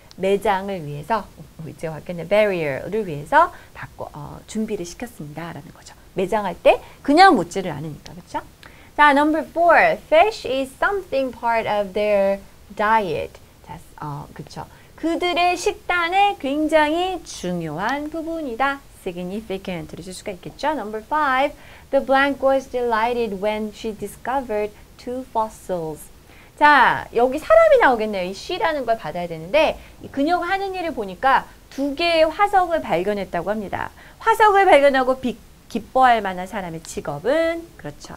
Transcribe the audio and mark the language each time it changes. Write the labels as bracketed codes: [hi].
[ko] 매장을 위해서, 이제 왔겠네, barrier를 위해서 준비를 시켰습니다. 라는 거죠. 매장할 때 그냥 묻지를 않으니까, 그쵸? [en] 자, number four. Fish is something part of their diet. [ko] 자, 그쵸. 그들의 식단에 굉장히 중요한 부분이다. significant를 쓸 수가 있겠죠. [en] Number five. The blank was delighted when she discovered two fossils. [ko] 자, 여기 사람이 나오겠네요. 이 she라는 걸 받아야 되는데 그녀가 하는 일을 보니까 두 개의 화석을 발견했다고 합니다. 화석을 발견하고 기뻐할 만한 사람의 직업은 그렇죠.